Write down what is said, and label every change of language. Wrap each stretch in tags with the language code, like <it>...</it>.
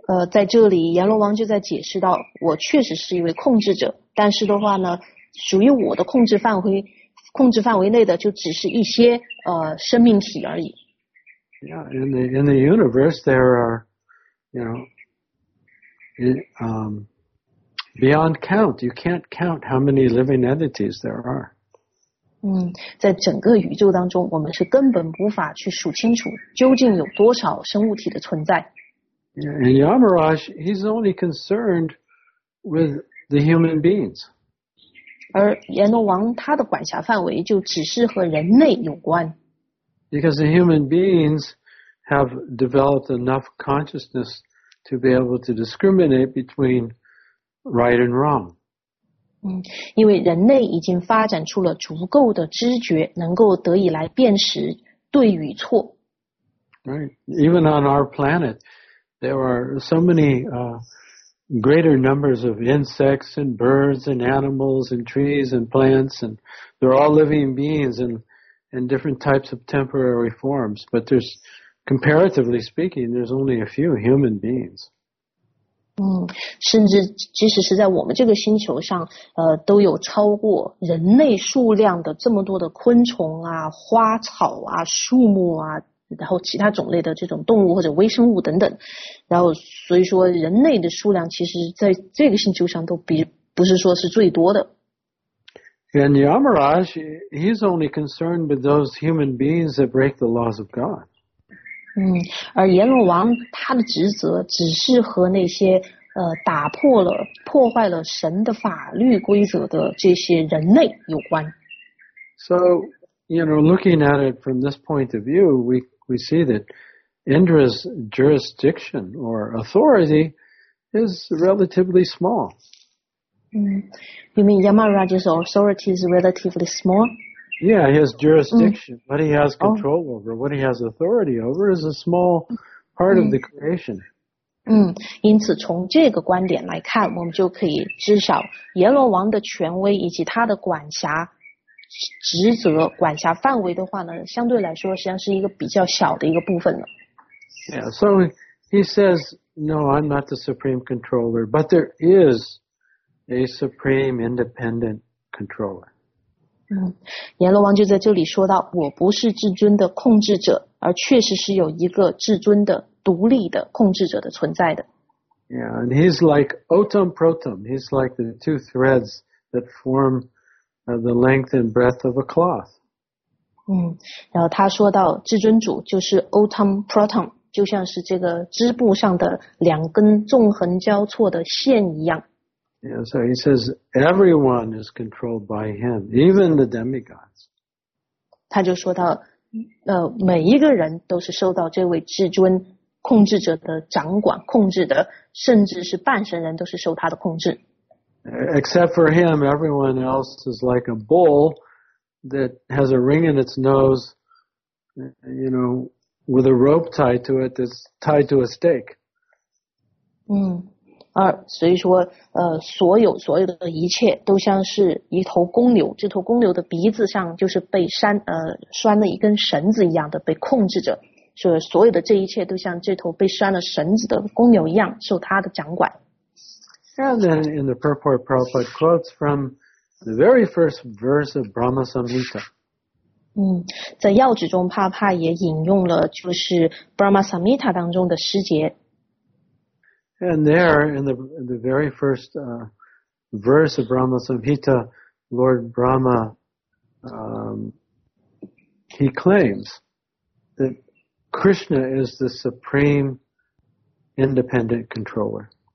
<zh>在这里阎罗王就在解释到，我确实是一位控制者，但是的话呢，属于我的控制范围内的就只是一些生命体而已。</zh> <en>Yeah, in the universe there are, you know, beyond count, you can't count how many living entities there are.</en> <zh>在整个宇宙当中，我们是根本无法去数清楚究竟有多少生物体的存在。</zh> <en>And Yamaraj, he's only concerned with the human beings.</en> <zh>而阎罗王他的管辖范围就只是和人类有关。</zh> <en>Because the human beings have developed enough consciousness to be able to discriminate between right and wrong.</en> <zh>因为人类已经发展出了足够的知觉，能够得以来辨识对与错。</zh> <en>Right. Even on our planet, there are so many greater numbers of insects and birds and animals and trees and plants, and they're all living beings and different types of temporary forms. But there's, comparatively speaking, there's only a few human beings.</en> <zh>甚至即使是在我们这个星球上，都有超过人类数量的这么多的昆虫啊、花草啊、树木啊，然后其他种类的这种动物或者微生物等等，然后所以说人类的数量其实在这个星球上都不是说是最多的。</zh> <en>And Yamaraj, he's only concerned with those human beings that break the laws of God.</en> <zh>而阎罗王他的职责只是和那些打破了破坏了神的法律规则的这些人类有关。</zh> <en>So, you know, looking at it from this point of view, we see that Indra's jurisdiction or authority is relatively small. You mean Yamaraj's authority is relatively small? Yeah, his jurisdiction, what he has control over, what he has authority over is a small part of the creation.</en> <zh>因此从这个观点来看，我们就可以知晓阎罗王的权威以及他的管辖职责管辖范围的话呢，相对来说实际上是一个比较小的一个部分的。</zh> <en>Yeah, so he says, no, I'm not the supreme controller, but there is a supreme independent controller.</en> <zh>阎罗王就在这里说到，我不是至尊的控制者，而确实是有一个至尊的独立的控制者的存在的。</zh> <en>Yeah, and he's like Otam Protam. He's like the two threads that form the length and breadth of a cloth.</en> <zh>然后他说到至尊主就是 Otam Protam, 就像是这个织布上的两根纵横交错的线一样。</zh> <en>Yeah, so he says everyone is controlled by him, even the demigods.</en> <zh>他就说到每一个人都是受到这位至尊控制者的掌管控制的，甚至是半神人都是受他的控制。</zh> <en>Except for him, everyone else is like a bull that has a ring in its nose, you know, with a rope tied to it that's tied to a stake.</en> <zh>二，所以说，所有的一切都像是一头公牛，这头公牛的鼻子上就是被拴了一根绳子一样的被控制着，所以所有的这一切都像这头被拴了绳子的公牛一样受他的掌管。</zh> <en>And then in the purport, Prabhupada quotes from the very first verse of Brahma Samhita.</en> <zh>在要旨中，帕帕也引用了就是 Brahma Samhita 当中的诗节。</zh> <en>And there, in the very first verse of Brahma Samhita, Lord Brahma, he claims that Krishna is the supreme independent controller.</en>